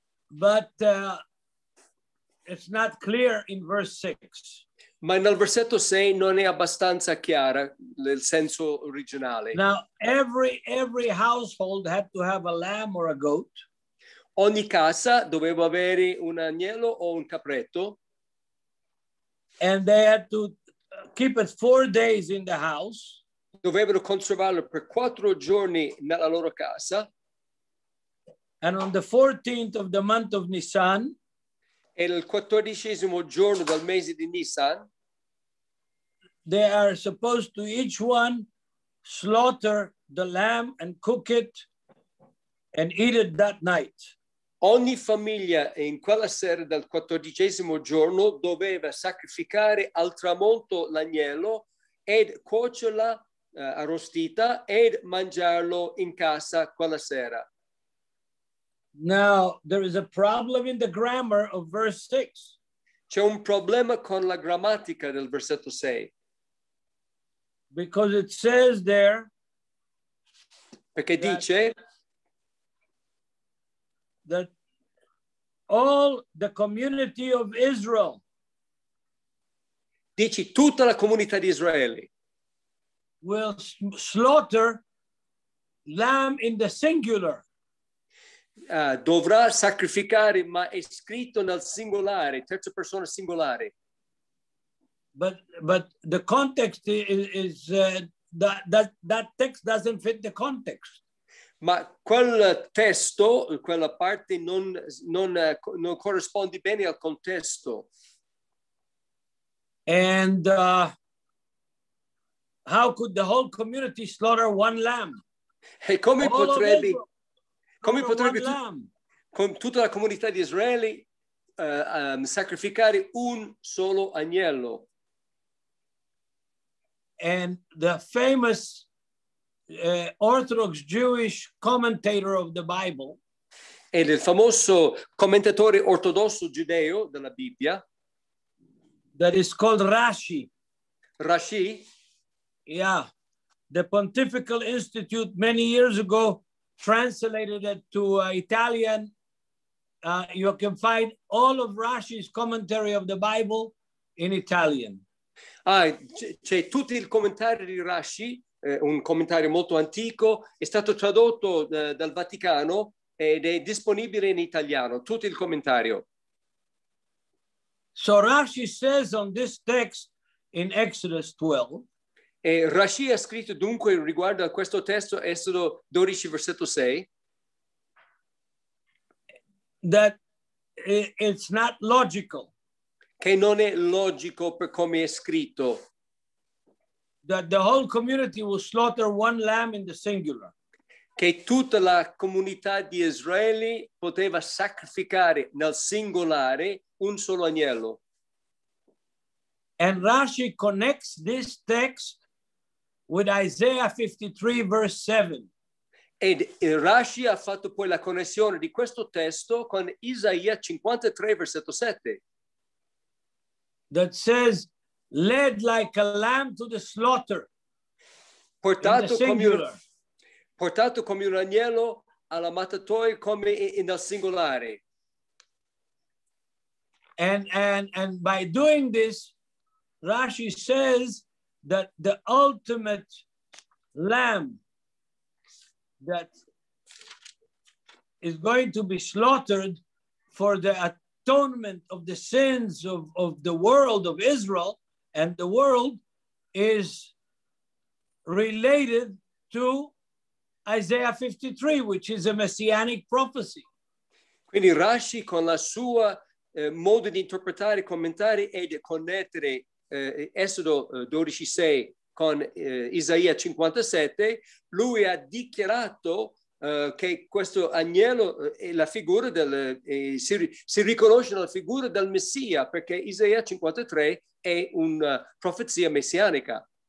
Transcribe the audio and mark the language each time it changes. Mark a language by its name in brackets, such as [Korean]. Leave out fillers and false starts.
[English] But it's not clear in verse 6. [Italian] Ma nel versetto 6 non è abbastanza chiara nel senso originale. [English] Now, every household had to have a lamb or a goat. [Italian] Ogni casa doveva avere un agnello o un capretto. [English] And they had to keep it 4 days in the house. [Italian] Dovevano conservarlo per 4 giorni nella loro casa. [English] And on the 14th of the month of Nisan, [Italian] e il 14° giorno del mese di Nisan, [English] they are supposed to each one slaughter the lamb and cook it and eat it that night. [Italian] Ogni famiglia in quella sera del 14° giorno doveva sacrificare al tramonto l'agnello ed cuocerla arrostita ed mangiarlo in casa quella sera. [English] Now, there is a problem in the grammar of verse 6. [Italian] C'è un problema con la grammatica del versetto 6. [English] Because it says there, [Italian] perché dice [English] that all the community of Israel. [Italian] Dici tutta la comunità di Israele. [English] Will slaughter lamb in the singular. [Italian] Dovrà sacrificare, ma è scritto nel singolare, terza persona singolare. [English] But the context is that text doesn't fit the context. [Italian] Ma quel testo, quella parte non corrisponde bene al contesto. [English] And how could the whole community slaughter one lamb? [Italian] E come [English] all [Italian] potrebbe Israel, come potrebbe con tutta la comunità di Israele sacrificare un solo agnello? [English] And the famous Orthodox Jewish commentator of the Bible. [Italian] E il famoso commentatore ortodosso giudeo della Bibbia. [English] That is called Rashi. [Italian] Rashi. [English] Yeah. The Pontifical Institute many years ago translated it to Italian. You can find all of Rashi's commentary of the Bible in Italian. [Italian] Ah, c'è tutto il commentario di Rashi. Un commentario molto antico, è stato tradotto dal Vaticano ed è disponibile in italiano, tutto il commentario. [English] So Rashi says on this text in Exodus 12. [Italian] E Rashi ha scritto dunque riguardo a questo testo, Esodo 12, versetto 6. [English] That it's not logical. [Italian] Che non è logico per come è scritto. [English] That the whole community will slaughter one lamb in the singular. [Italian] Che tutta la comunità di Israele poteva sacrificare nel singolare un solo agnello. [English] And Rashi connects this text with Isaiah 53, verse 7. [Italian] Ed Rashi ha fatto poi la connessione di questo testo con Isaia 53, versetto 7. [English] That says, led like a lamb to the slaughter. [Italian] Portato come un agnello alla mattatoia come nel singolare. [English] And by doing this, Rashi says that the ultimate lamb that is going to be slaughtered for the atonement of the sins of the world of Israel. And the world is related to Isaiah 53, which is a messianic prophecy. [Italian] Quindi Rashi, con la sua modo di interpretare, commentare e di connettere Esodo 12:6 con Isaia 57, lui ha dichiarato che questo agnello è la figura del si riconosce nella figura del Messia, perché Isaia 53 è una profezia messianica.